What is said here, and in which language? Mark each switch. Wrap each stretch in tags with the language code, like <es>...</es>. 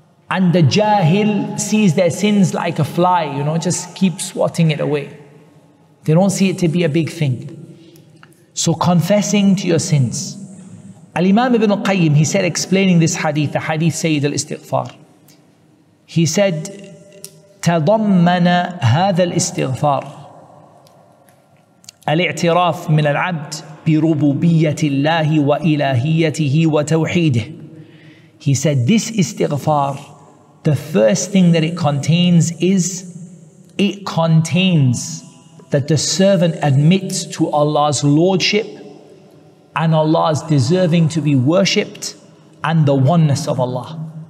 <en>And the jahil sees their sins like a fly, you know, just keep swatting it away. They don't see it to be a big thing. So confessing to your sins. Al-Imam Ibn Qayyim, he said, explaining this hadith, the hadith Sayyid al-Istighfar. He said,</en> <ar>تضمن هذا الاستغفار الاعتراف من العبد بربوبية الله وإلهيته وتوحيده.</ar> <en>He said this istighfar, the first thing that it contains is, it contains that the servant admits to Allah's lordship and Allah's deserving to be worshipped and the oneness of Allah.</en>